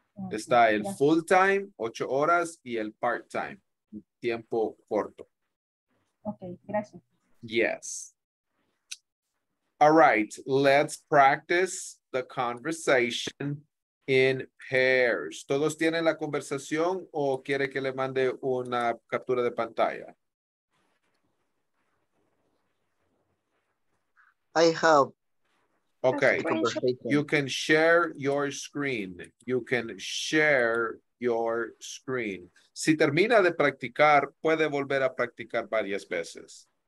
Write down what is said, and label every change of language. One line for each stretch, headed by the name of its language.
Spanish: Está el full-time, 8 horas, y el part-time, tiempo corto. Okay, gracias.
English: Yes. All right, let's practice the conversation in pairs.
Spanish: ¿Todos tienen la conversación o quiere que le mande una captura de pantalla?
English: I have. Okay, you can share your screen.
Spanish: Si termina de practicar, puede volver a practicar varias veces.